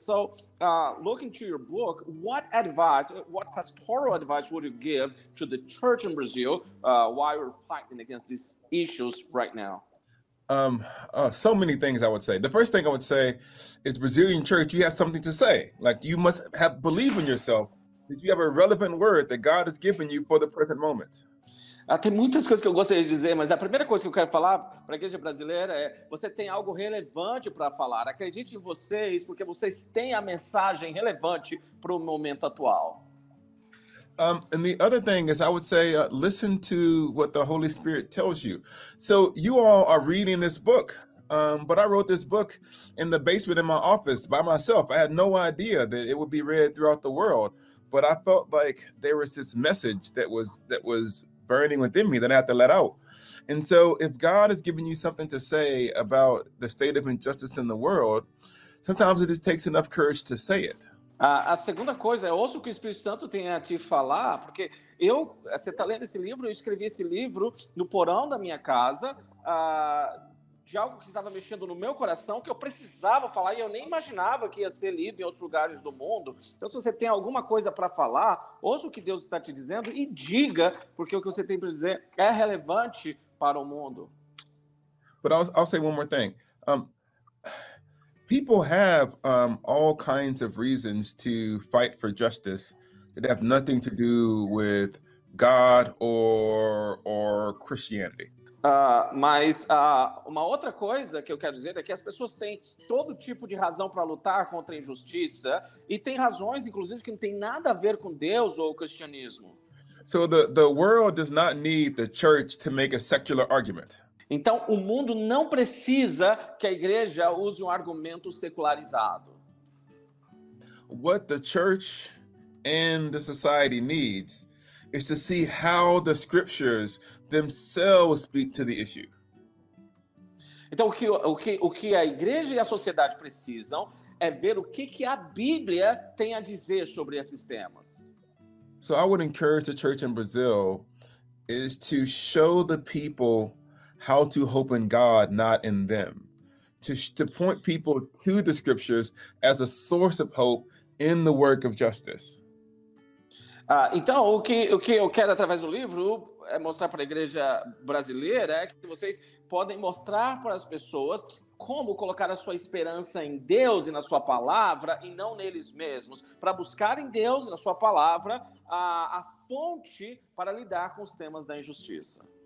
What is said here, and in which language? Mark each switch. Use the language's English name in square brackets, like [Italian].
[English] So looking to your book, what advice, what pastoral advice would you give to the church in Brazil while we're fighting against these issues right now? So many things I would say. The first thing I would say is Brazilian church, you have something to say. Like, you must have believe in yourself that you have a relevant word that God has given you for the present moment. [Portuguese] Tem muitas coisas que eu gostaria de dizer, mas a primeira coisa que eu quero falar para a igreja brasileira é: você tem algo relevante para falar. Acredite em vocês, porque vocês têm a mensagem relevante para o momento atual. [English] And the other thing is, I would say, listen to what the Holy Spirit tells you. So you all are reading this book, but I wrote this book in the basement in my office by myself. I had no idea that it would be read throughout the world, but I felt like there was this message that was burning within me that I had to let out. And so if God has given you something to say about the state of injustice in the world, sometimes it just takes enough courage to say it. [Portuguese] A segunda coisa é, ouça o que o Espírito Santo tem a te falar, porque eu, você está lendo esse livro, eu escrevi esse livro no porão da minha casa, de algo que estava mexendo no meu coração, que eu precisava falar, e eu nem imaginava que ia ser lido em outros lugares do mundo. Então, se você tem alguma coisa para falar, ouça o que Deus está te dizendo e diga, porque o que você tem para dizer é relevante para o mundo. [English] But I'll say one more thing. People have all kinds of reasons to fight for justice that have nothing to do with God or Christianity. [Portuguese] Uma outra coisa que eu quero dizer é que as pessoas têm todo tipo de razão para lutar contra a injustiça e tem razões, inclusive, que não tem nada a ver com Deus ou o cristianismo. [English] So the world does not need the church to make a secular argument. [Portuguese] Então, o mundo não precisa que a igreja use um argumento secularizado. [English] What the church and the society needs is to see how the scriptures themselves speak to the issue. [Portuguese] Então, o que a igreja e a sociedade precisam é ver o que a Bíblia tem a dizer sobre esses temas. [English] So I would encourage the church in Brazil is to show the people how to hope in God, not in them. To point people to the scriptures as a source of hope in the work of justice. [Portuguese] Então, o que eu quero através do livro é mostrar para a igreja brasileira é que vocês podem mostrar para as pessoas como colocar a sua esperança em Deus e na sua palavra e não neles mesmos, para buscar em Deus e na sua palavra a fonte para lidar com os temas da injustiça.